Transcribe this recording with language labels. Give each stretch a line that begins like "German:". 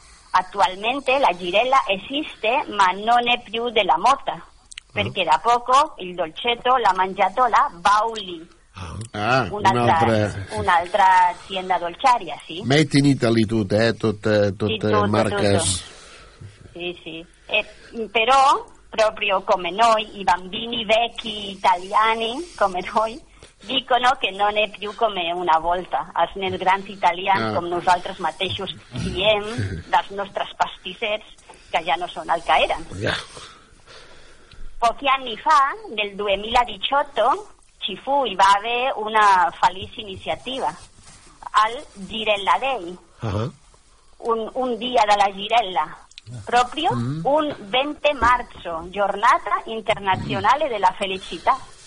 Italian: Attualmente la girella esiste, ma non è più della Motta, perché da poco il dolcetto l'ha mangiato la Bauli, un'altra azienda dolciaria, sì. Made in Italy tutte le marche. Sì. Però, proprio come noi, i bambini vecchi italiani, come noi, dicono che non è più come una volta.
Catalan: Els nens grans italians, com nosaltres mateixos, diem dels nostres pastissets que ja no són el que eren.
Italian: Pochi anni fa, nel 2018, ci fu
Catalan: i va haver una feliç iniciativa, el Girella Day, un dia de la girella,
Italian: proprio un 20 marzo, Giornata Internazionale della Felicità.